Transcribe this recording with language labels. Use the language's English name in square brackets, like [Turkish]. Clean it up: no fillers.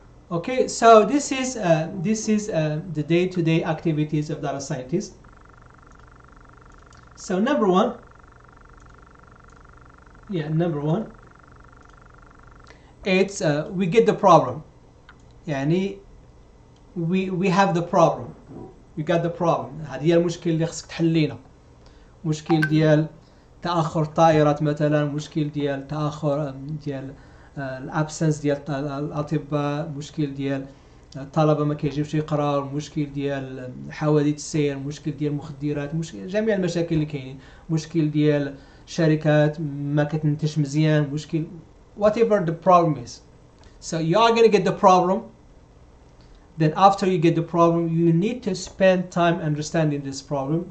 [English] Okay, so this is the day-to-day activities of data scientists. So number one, Yeah, number one, it's we get the problem. يعني we have the problem. We got the problem. [Arabic] هذه هي المشكل اللي خصك تحلينا. مشكل ديال تأخر الطائرات مثلا، مشكل ديال تأخر ديال الابسنس ديال الأطباء، مشكل ديال الطلبة ما كيجيبش يقراو، مشكل ديال حوادث السير، مشكل ديال المخدرات، مشكل جميع المشاكل اللي كاينين، مشكل ديال شركات ما كتنتجش مزيان، مشكل [English] whatever the problem is. So you are going to get the problem. Then after you get the problem, you need to spend time understanding this problem.